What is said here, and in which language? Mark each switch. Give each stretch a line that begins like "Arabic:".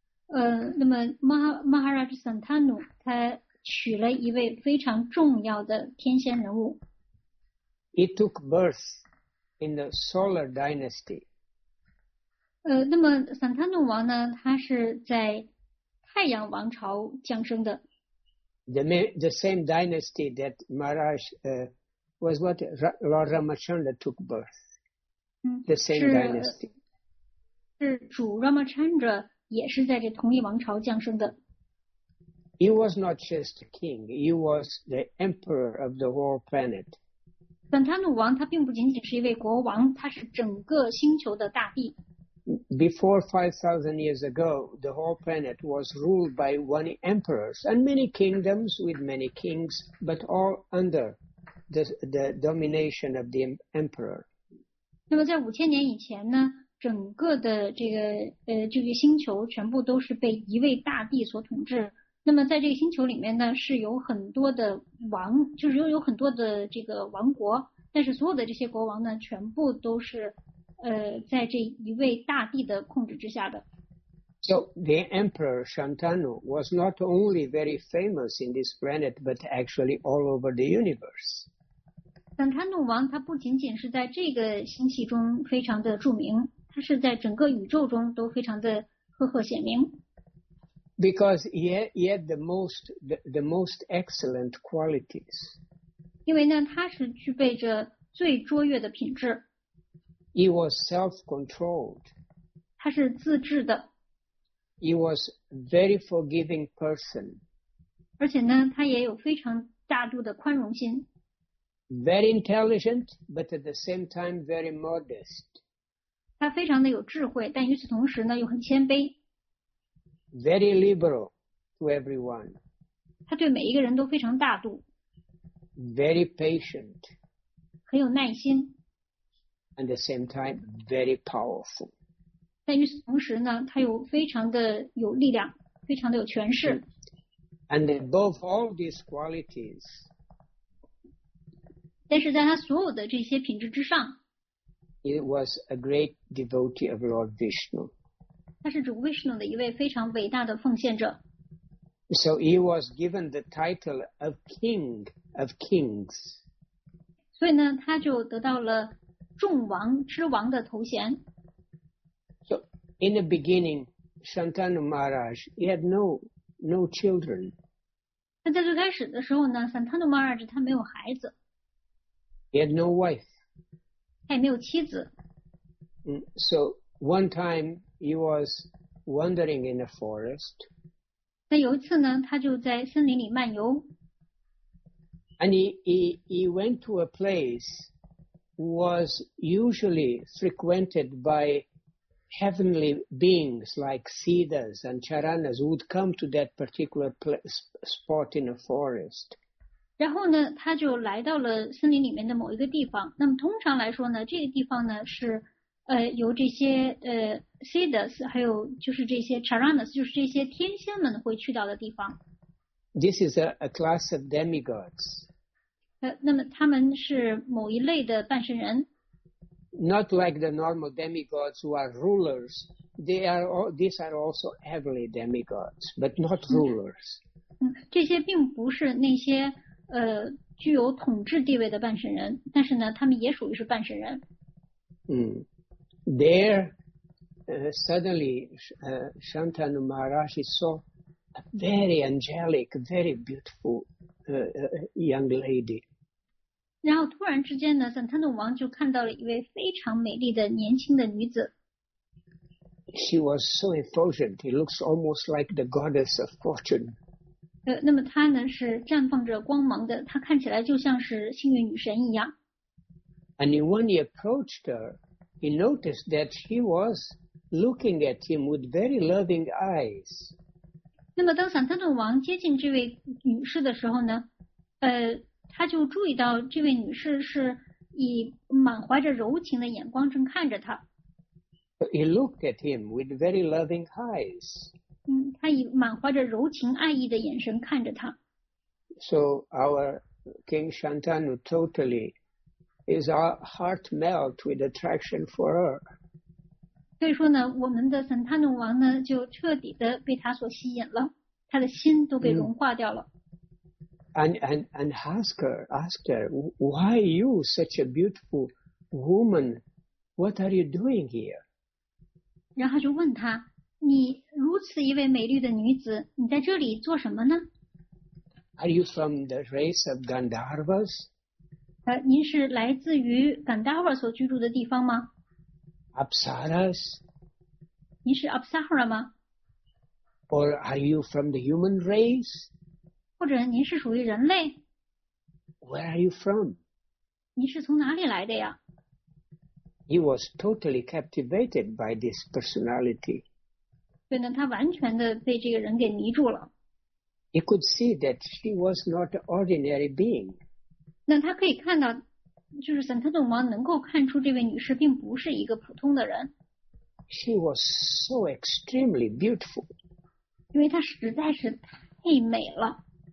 Chinese: Maharaj Santanu, 他娶了一位非常重要的天仙人物。
English: He took birth in the Solar Dynasty.
Chinese: 那么萨坦努王呢？他是在太阳王朝降生的。
English: The same dynasty that Maharaj was what Lord Ramachandra took birth. The same dynasty.
Chinese: 是主 Ramachandra 也是在这同一王朝降生的。
English: He was not just a king, he was the emperor of the whole planet.
Chinese: 本坦努王他并不仅仅是一位国王，他是整个星球的大帝。
English: Before 5,000 years ago, the whole planet was ruled by one emperor and many kingdoms with many kings, but all under the domination of the emperor.
Chinese: 那么在5000年以前呢，整个的这个星球全部都是被一位大帝所统治。那么在这个星球里面呢，是有很多的王，就是有很多的这个王国，但是所有的这些国王呢，全部都是在这一位大帝的控制之下的。
English: So the Emperor Shantanu was not only very famous in this planet, but actually all over the universe.
Chinese: 坦坦努王他不仅仅是在这个星系中非常的著名，他是在整个宇宙中都非常的赫赫显名。
English: Because he had the most excellent qualities.
Chinese: 因为呢，他是具备着最卓越的品质。
English: He was self-controlled.
Chinese: 他是自制的。
English: He was a very forgiving person.
Chinese: 而且呢，他也有非常大度的宽容心。
English: Very intelligent, but at the same time very modest.
Chinese: 他非常的有智慧，但与此同时呢，又很谦卑。
English: Very liberal to everyone.
Chinese: 他对每一个人都非常大度。
English: Very patient.
Chinese: 很有耐心。
English: At the same time, very powerful.
Chinese: 但与此同时呢，他又非常的有力量，非常的有权势。
English: And above all these qualities.
Chinese: 但是在他所有的这些品质之上。
English: He was a great devotee of Lord Vishnu.
Chinese: 他是主 Vishnu 的一位非常伟大的奉献者。
English: So he was given the title of King of Kings.
Chinese: 所以呢，他就得到了众王之王的头衔。
English: So in the beginning, Shantanu Maharaj he had no children.
Chinese: 那在最开始的时候呢 ，Shantanu Maharaj 他没有孩子。
English: He had no wife.
Chinese: 他也没有妻子。
English: So one time. He was wandering in a forest.
Chinese: 那有一次呢，他就在森林里漫游。
English: And he went to a place was usually frequented by heavenly beings like Siddhas and Charanas who would come to that particular spot in a forest.
Chinese: 然后呢，他就来到了森林里面的某一个地方。那么通常来说呢，这个地方呢是。由这些Siddhas 还有就是这些 Charanas 就是这些天仙们会去到的地方。
English: This is a class of demigods.
Chinese: 那么他们是某一类的半神人。
English: Not like the normal demigods who are rulers. They are all, these are also heavenly demigods, but not rulers.
Chinese: 这些并不是那些具有统治地位的半神人，但是呢，他们也属于是半神人。
English: There, suddenly, Shantanu Maharaj saw a very angelic, very beautiful young lady.
Chinese: 然后突然之间呢，萨坦努王就看到了一位非常美丽的年轻的女子。
English: She was so effulgent; it looks almost like the goddess of fortune.
Chinese: 那么她呢是绽放着光芒的，她看起来就像是幸运女神一样。
English: And when he approached her. He noticed that she was looking at him with very loving eyes.
Chinese: 那么当萨坦努王接近这位女士的时候呢，他就注意到这位女士是以满怀着柔情的眼光正看着他。
English: He looked at him with very loving eyes.
Chinese: 他以满怀着柔情爱意的眼神看着他。
English: So our King Shantanu totally. His heart melt with attraction for her.
Chinese: 所以说呢，我们的萨坦努王呢，就彻底的被他所吸引了，他的心都被融化掉了。
English: and asked her, why are you such a beautiful woman? What are you doing here?
Chinese: 然后就问她，你如此一位美丽的女子，你在这里做什么呢？
English: Are you from the race of Gandharvas?
Chinese: 您是来自于 Gandharva 所居住的地方吗？
English: Apsaras?
Chinese: 您是 Apsara 吗？
English: Or are you from the human race?
Chinese: 或者您是属于人类？
English: Where are you from?
Chinese: 您是从哪里来的呀？
English: He was totally captivated by this personality.
Chinese: 对呢，他完全的被这个人给迷住了。
English: He could see that she was not an ordinary being.
Chinese: 那他可以看到，就是 Santadumma 能够看出这位女士并不是一个普通的人。
English: She was so extremely beautiful.
Chinese: 因为她实在是太美了。